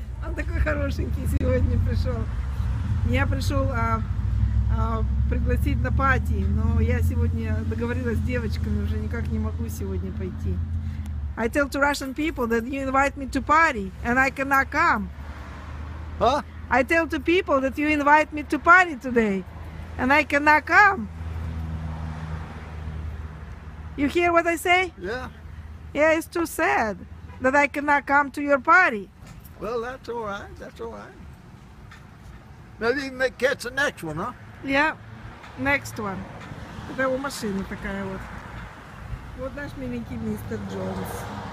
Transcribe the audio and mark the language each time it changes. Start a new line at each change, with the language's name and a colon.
Russian: Он такой хорошенький сегодня пришел. Я пришел пригласить на пати, но я сегодня договорилась с девочками, уже никак не могу сегодня пойти.
English: I tell to Russian people that you invite me to party and I cannot come. Huh? I tell to people that you invite me to party today and I cannot come. You hear what I say? Yeah. Yeah, it's too sad that I cannot come to your party. Well, that's all right. That's all right. Maybe you can catch the next one, huh? Yeah, next one.
Russian: Это его машина такая вот. Вот наш миленький мистер Джонс.